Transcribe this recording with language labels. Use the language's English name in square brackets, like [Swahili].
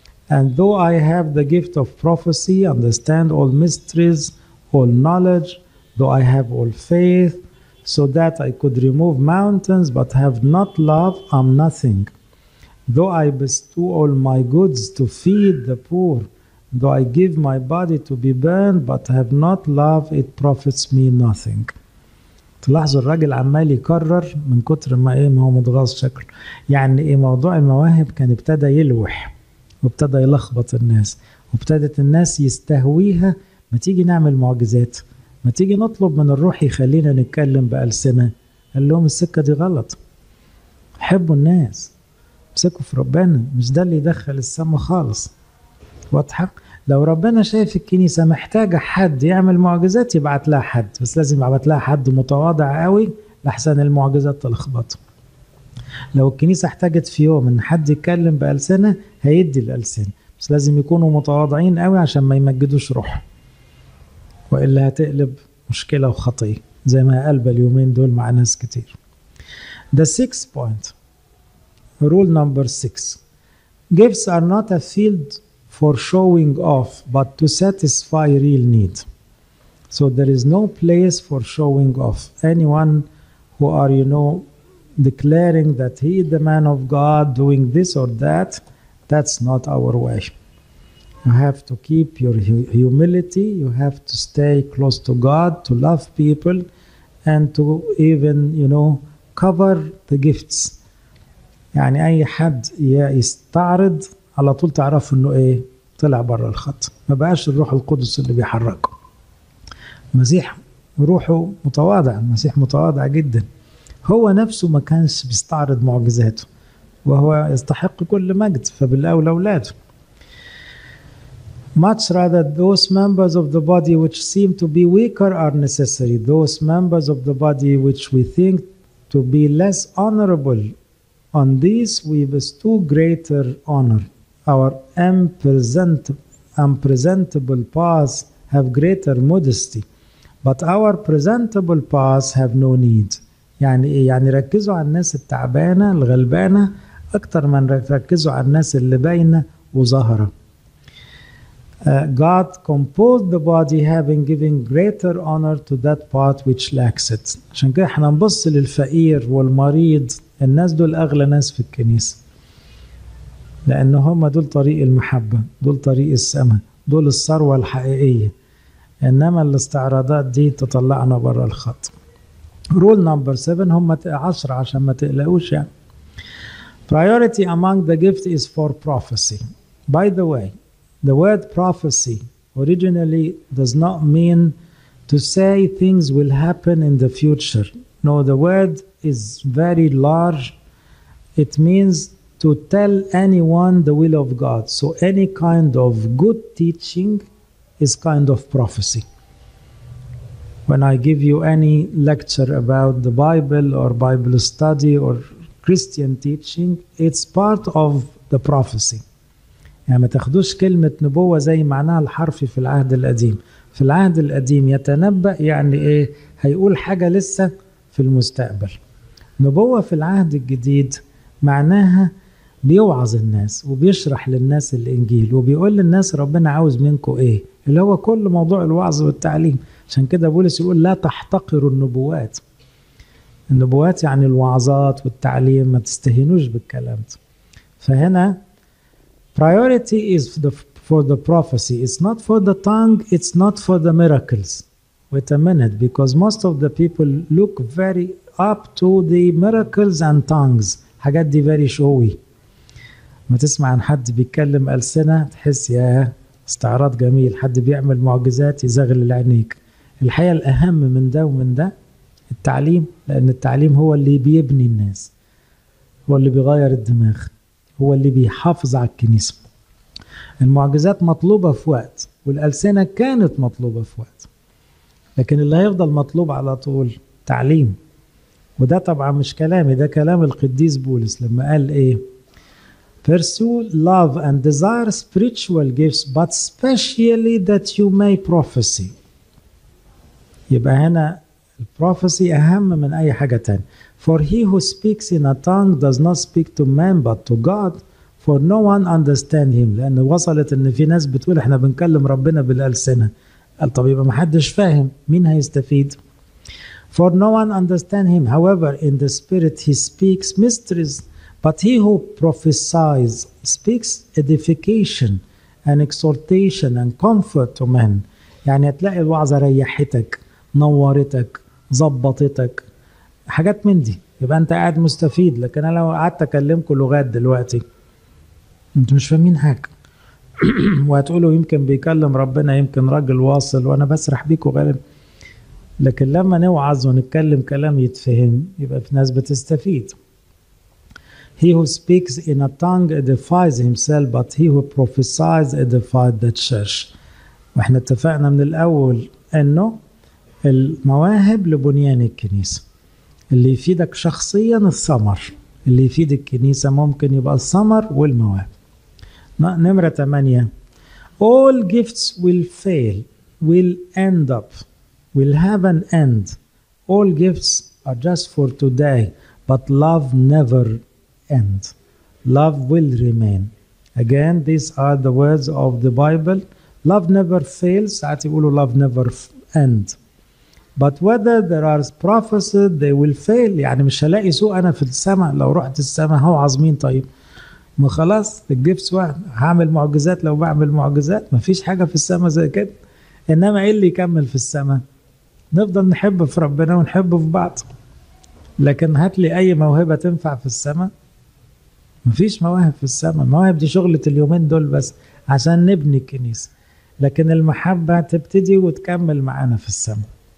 [English] And though I have the gift of prophecy, understand all mysteries, all knowledge, though I have all faith, so that I could remove mountains, but have not love, I'm nothing. Though I bestow all my goods to feed the poor, though I give my body to be burned, but have not love, it profits me nothing. [Arabic] تلاحظوا الراجل عمال يكرر من كتر ما ايه ما هو متغاظ شكله. يعني ايه موضوع المواهب كان ابتدى يلوح. وابتدى يلخبط الناس. وابتدت الناس يستهويها. ما تيجي نعمل معجزات. ما تيجي نطلب من الروح يخلينا نتكلم بألسنة. قال لهم السكة دي غلط. حبوا الناس. امسكه في ربنا، مش ده اللي يدخل السماء خالص. واضحة؟ لو ربنا شايف الكنيسة محتاجة حد يعمل معجزات يبعت لها حد، بس لازم يبعت لها حد متواضع قوي لحسن المعجزات تلخبطه. لو الكنيسة احتاجت في يوم ان حد يتكلم بألسنة هيدي الألسنة، بس لازم يكونوا متواضعين قوي عشان ما يمجدوش روح، وإلا هتقلب مشكلة وخطيئة زي ما قلب اليومين دول مع ناس كتير. [English] The sixth point, rule number six. Gifts are not a field for showing off, but to satisfy real need. So there is no place for showing off. Anyone who are, you know, declaring that he is the man of God, doing this or that, that's not our way. You have to keep your humility, you have to stay close to God, to love people, and to even, you know, cover the gifts. [Arabic] يعني أي حد يستعرض على طول تعرف إنه إيه؟ طلع بره الخط، ما بقاش الروح القدس اللي بيحركه. المسيح روحه متواضع، المسيح متواضع جدا. هو نفسه ما كانش بيستعرض معجزاته، وهو يستحق كل مجد، فبالأولى أولاده. [English] Much rather those members of the body which seem to be weaker are necessary. Those members of the body which we think to be less honorable, on these we bestow greater honor. Our unpresentable parts have greater modesty, but our presentable parts have no need. [Arabic] يعني ركزوا على الناس التعبانة الغلبانة أكتر من ركزوا على الناس اللي باينة وظاهرة. [English] God composed the body having given greater honor to that part which lacks it. [Arabic] عشان كده احنا نبص للفقير والمريض، الناس دول أغلى ناس في الكنيسة، لأن هم دول طريق المحبة، دول طريق السماء، دول الثروة الحقيقية. إنما الاستعراضات دي تطلعنا برا الخط. [English] Rule number seven، [Arabic] هم 10 عشان ما تقلقوش يعني. [English] Priority among the gift is for prophecy. By the way, the word prophecy originally does not mean to say things will happen in the future. No, the word is very large. It means to tell anyone the will of God. So any kind of good teaching is kind of prophecy. When I give you any lecture about the Bible or Bible study or Christian teaching, it's part of the prophecy. [Arabic] يعني ما تاخدوش كلمة نبوة زي معناها الحرفي في العهد القديم. في العهد القديم يتنبأ يعني ايه؟ هيقول حاجة لسه في المستقبل. نبوة في العهد الجديد معناها بيوعظ الناس وبيشرح للناس الإنجيل وبيقول للناس ربنا عاوز منكم ايه؟ اللي هو كل موضوع الوعظ والتعليم. عشان كده بولس يقول لا تحتقروا النبوات. النبوات يعني الوعظات والتعليم، ما تستهينوش بالكلام ده. فهنا [English] priority is for the prophecy. It's not for the tongue. It's not for the miracles. Wait a minute, because most of the people look very up to the miracles and tongues. [Arabic] حاجات دي [English] very showy. [Arabic] ما تسمع عن حد بيتكلم ألسنة تحس يا استعراض جميل، حد بيعمل معجزات يزغل العينيك. الحقيقة الأهم من ده ومن ده التعليم، لأن التعليم هو اللي بيبني الناس، هو اللي بيغير الدماغ، هو اللي بيحافظ على الكنيسة. المعجزات مطلوبة في وقت، والألسنة كانت مطلوبة في وقت، لكن اللي هيفضل مطلوب على طول تعليم. وده طبعا مش كلامي، ده كلام القديس بولس لما قال ايه؟ [English] Pursue love and desire spiritual gifts, but specially that you may prophesy. [Arabic] يبقى هنا البروفيسي أهم من أي حاجة تاني. [English] For he who speaks in a tongue does not speak to man but to God, for no one understand him. [Arabic] لأن وصلت إن في ناس بتقول إحنا بنكلم ربنا بالألسنة. قال طب يبقى محدش فاهم، مين هيستفيد؟ [English] For no one understand him. However, in the spirit he speaks mysteries, but he who prophesies speaks edification and exhortation and comfort to men. [Arabic] يعني هتلاقي الوعظة ريحتك، نورتك، ظبطتك، حاجات من دي، يبقى انت قاعد مستفيد. لكن انا لو قعدت اكلمكم لغات دلوقتي انتوا مش فاهمين حاجه، وهتقولوا يمكن بيكلم ربنا، يمكن راجل واصل وانا بسرح بيكوا غالب. لكن لما نوعظ ونتكلم كلام يتفهم يبقى في ناس بتستفيد. [English] He who speaks in a tongue edifies himself, but he who prophesies edifies the church. [Arabic] واحنا اتفقنا من الأول إنه المواهب لبنيان الكنيسة. اللي يفيدك شخصيا الثمر، اللي يفيد الكنيسة ممكن يبقى الثمر والمواهب. نمرة 8. [English] All gifts will fail, will end up, will have an end. All gifts are just for today, but love never end. Love will remain. Again, these are the words of the Bible. Love never fails. [Arabic] ساعات يقولوا [English] love never end. But whether there are prophecies, they will fail. [Arabic] يعني مش هلاقي سوء أنا في السماء. لو رحت السماء هو عظمين طيب. ما خلاص الجيفس واحد. هعمل معجزات لو بعمل معجزات. ما فيش حاجة في السماء زي كده. إنما إيه اللي يكمل في السماء؟ نفضل نحب في ربنا ونحب في بعض. لكن هات لي أي موهبة تنفع في السماء. مفيش مواهب في السماء، المواهب دي شغلة اليومين دول بس عشان نبني الكنيسة، لكن المحبة تبتدي وتكمل معانا في السماء.